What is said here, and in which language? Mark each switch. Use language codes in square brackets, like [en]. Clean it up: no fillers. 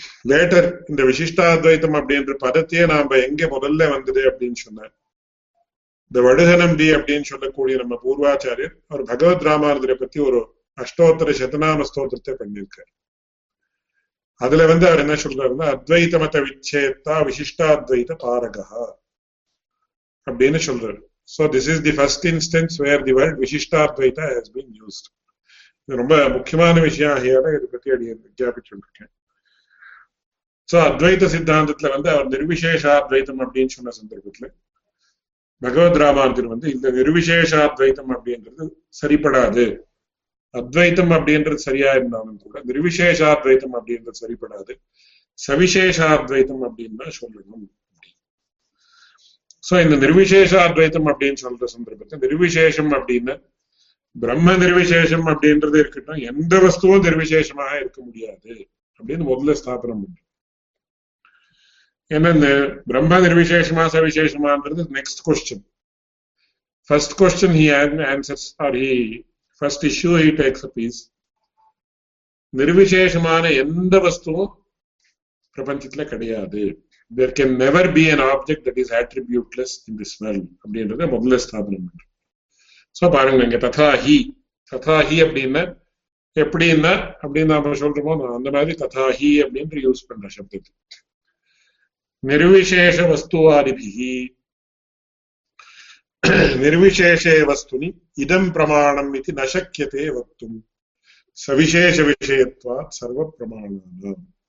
[ta] Later இந்த விசிஷ்டாத்வைத்தம் அப்படின்ற பதத்தையே நாம எங்க முதல்ல வந்தது அப்படின்னு சொன்ன, இந்த வடுகனம் டி அப்படின்னு சொல்லக்கூடிய நம்ம பூர்வாச்சாரியர் அவர் பகவத் ராமானுஜரை பத்தி ஒரு அஷ்டோத்தர சதநாம ஸ்தோத்திரத்தை பண்ணியிருக்காரு. அதுல வந்து அவர் என்ன சொல்றாருன்னா, [sa] அத்வைத்த மத விச்சேத்தா விசிஷ்டாத்வைத பாரகா [ta] அப்படின்னு சொல்றாரு. [en] So this is the first instance where the word Vishishtadvaita has been used. [ta] ரொம்ப முக்கியமான விஷயம் ஆகியதான் இதை பத்தி அடி விஜயாபிச்சுருக்கேன். சோ அத்வைத சித்தாந்தத்துல வந்து அவர் நிர்விசேஷாத்வைத்தம் அப்படின்னு சொன்ன சந்தர்ப்பத்துல பகவத் ராமானுஜர் வந்து இந்த நிர்விசேஷாத்வைத்தம் அப்படின்றது சரிப்படாது, அத்வைத்தம் அப்படின்றது சரியா இருந்தாலும் கூட நிர்விசேஷாத்வைத்தம் அப்படின்றது சரிப்படாது, சவிசேஷாத்வைத்தம் அப்படின்னு தான் சொல்லணும். சோ இந்த நிர்விசேஷாத்வைத்தம் அப்படின்னு சொல்ற சந்தர்ப்பத்தை, நிர்விசேஷம் அப்படின்னா பிரம்ம நிர்விசேஷம் அப்படின்றது இருக்கட்டும், எந்த வஸ்துவும் நிர்விசேஷமாக இருக்க முடியாது அப்படின்னு முதல்ல ஸ்தாபனம் பண்ணும். ஏன்னா இந்த பிரம்ம நிர்விசேஷமா சவிசேஷமான்றது [en] Next question. First question he answers or he first issue he takes up is [ta] நிர்விசேஷமான எந்த வஸ்துவும் பிரபஞ்சத்துல கிடையாது. [en] There can never be an object that is attributeless in this world. [ta] அப்படின்றது முதல்ல ஸ்தாபனம் பண்ற. சோ பாருங்க, ததாஹி ததாஹி அப்படின்னா எப்படி என்ன அப்படின்னு நாம சொல்றோமோ அந்த மாதிரி ததாஹி அப்படின்னு யூஸ் பண்ற சப்தத்து. [sa] நிர்விசேஷ வஸ்துவாதிபிஹி நிர்விசேஷே வஸ்துனி இதம் பிரமாணம் இது நசக்கியதே வக்தும் சவிசேஷ விஷயத்வா சர்வ பிரமாணம்.